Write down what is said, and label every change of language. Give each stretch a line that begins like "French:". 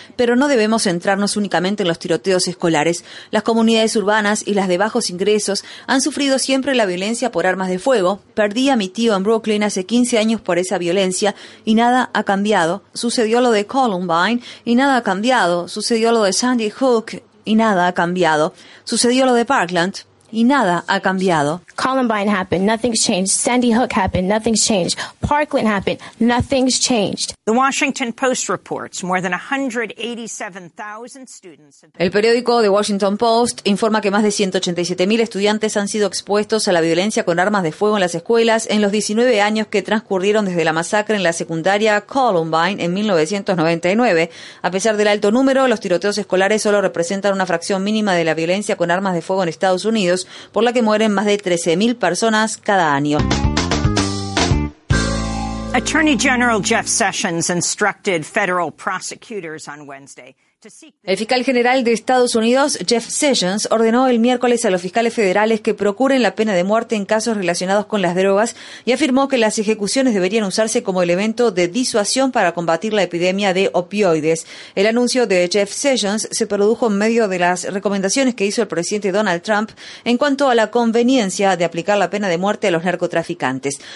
Spanish: Pero no debemos centrarnos únicamente en los tiroteos escolares. Las comunidades urbanas y las de bajos ingresos han sufrido siempre la violencia por armas de fuego. Perdí a mi tío en Brooklyn hace 15 años por esa violencia y nada ha cambiado. Sucedió lo de Columbine y nada ha cambiado. Sucedió lo de Sandy Hook y nada ha cambiado. Sucedió lo de Parkland y nada ha cambiado.
English: Columbine happened, nothing's changed. Sandy Hook happened, nothing's changed. Parkland happened, nothing's changed. The Washington Post reports more than 187,000 students.
Spanish: El periódico The Washington Post informa que más de 187,000 estudiantes han sido expuestos a la violencia con armas de fuego en las escuelas en los 19 años que transcurrieron desde la masacre en la secundaria Columbine en 1999. A pesar del alto número, los tiroteos escolares solo representan una fracción mínima de la violencia con armas de fuego en Estados Unidos, por la que mueren más de 13,000 personas cada año.
English: Attorney General Jeff Sessions instructed federal prosecutors on Wednesday.
Spanish: El fiscal general de Estados Unidos, Jeff Sessions, ordenó el miércoles a los fiscales federales que procuren la pena de muerte en casos relacionados con las drogas y afirmó que las ejecuciones deberían usarse como elemento de disuasión para combatir la epidemia de opioides. El anuncio de Jeff Sessions se produjo en medio de las recomendaciones que hizo el presidente Donald Trump en cuanto a la conveniencia de aplicar la pena de muerte a los narcotraficantes.